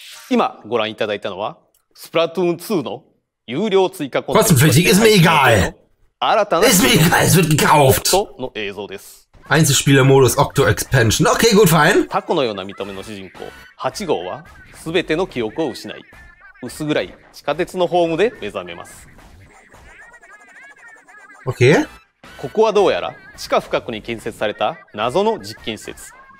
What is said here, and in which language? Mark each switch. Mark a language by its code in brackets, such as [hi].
[ja] 今ご覧いただいたのはスプラトゥーン2の有料追加コンテンツ。 [de] Was für dich ist mir egal. [ja] 新たな [de] Ist mir egal. Es wird gekauft. [ja] の映像です。 [de] Einzelspielermodus Octo Expansion. Okay, gut, fine. [ja] タコのような見た目の主人公8号はすべての記憶を失い、薄暗い地下鉄のホームで目覚めます。 Okay. ここはどうやら地下深くに建設された謎の実験施設。